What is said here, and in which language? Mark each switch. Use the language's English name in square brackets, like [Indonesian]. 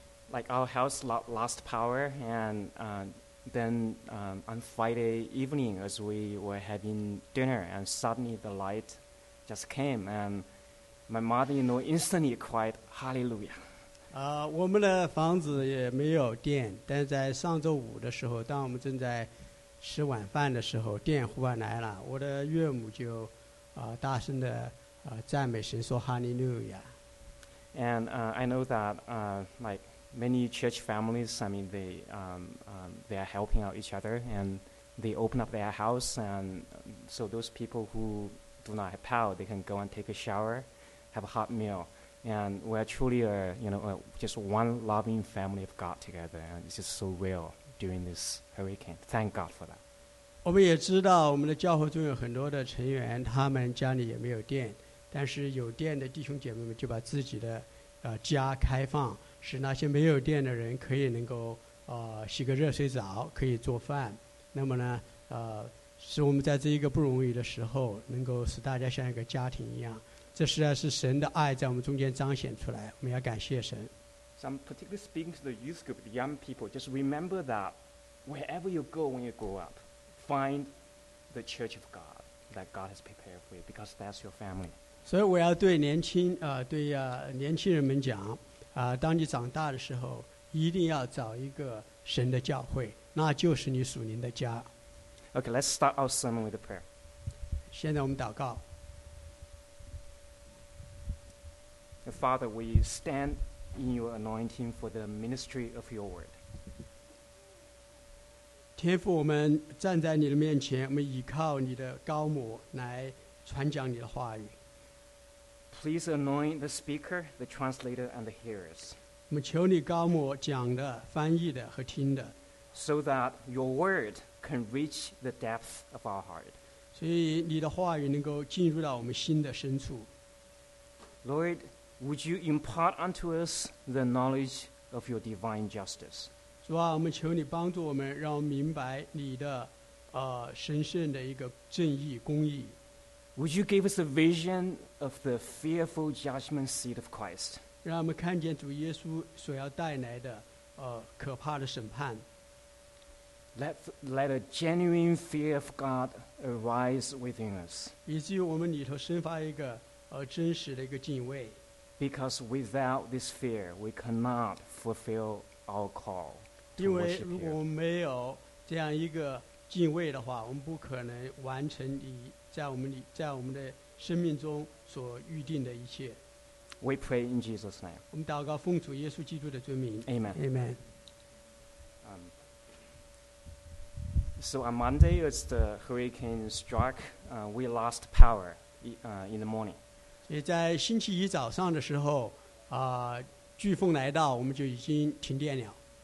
[English] Like our house lost power, and on Friday evening, as we were having dinner, and suddenly the light just came, and my mother-in-law instantly cried, "Hallelujah!" [Chinese] 我们的房子也没有电，但是在上周五的时候，当我们正在吃晚饭的时候，电忽然来了，我的岳母就大声的。赞美神说 [English] Hallelujah. And I know that like many church families, I mean, they are helping out each other, and they open up their house, and so those people who do not have power, they can go and take a shower, have a hot meal, and we're truly just one loving family of God together, and it's just so real during this hurricane. Thank God for that. [Chinese] 我们也知道我们的教会中有很多的成员，他们家里也没有电。但是有电的弟兄姐妹们就把自己的家开放，使那些没有电的人可以能够洗个热水澡，可以做饭。那么呢，使我们在这一个不容易的时候，能够使大家像一个家庭一样。这实在是神的爱在我们中间彰显出来，我们要感谢神。 [English] So I'm particularly speaking to the youth group, the young people. Just remember that wherever you go when you grow up, find the church of God that God has prepared for you, because that's your family. [Chinese] 所以我要对年轻人们讲，当你长大的时候，一定要找一个神的教会，那就是你属灵的家。 [English] Okay, let's start our sermon with a prayer. [Chinese] 现在我们祷告。 [English] Father, we stand in your anointing for the ministry of your word. [Chinese] 天父，我们站在你的面前，我们依靠你的膏抹来传讲你的话语。 [English] Please anoint the speaker, the translator, and the hearers. [Chinese] 我们求你膏抹讲的、翻译的和听的。 [English] So that your word can reach the depth of our heart. [Chinese] 所以你的话语能够进入到我们心的深处。 [English] Lord, would you impart unto us the knowledge of your divine justice? [Chinese] 主啊，我们求你帮助我们，让我们明白你的神圣的一个正义、公义。 [English] Would you give us a vision of the fearful judgment seat of Christ? [Chinese] 让我们看见主耶稣所要带来的可怕的审判。 [English] Let a genuine fear of God arise within us. [Chinese] 以至于我们里头生发一个真实的一个敬畏。 [English] Because without this fear, we cannot fulfill our call to worship here. [Chinese] 因为如果没有这样一个敬畏的话，我们不可能完成你在我们的生命中所预定的一切。 [English] We pray in Jesus' name. [Chinese] 我们祷告奉主耶稣基督的尊名。 Amen. Amen. [English] So on Monday, as the hurricane struck, we lost power in the morning. [Chinese] 所以在星期一早上的时候，飓风来到，我们就已经停电了。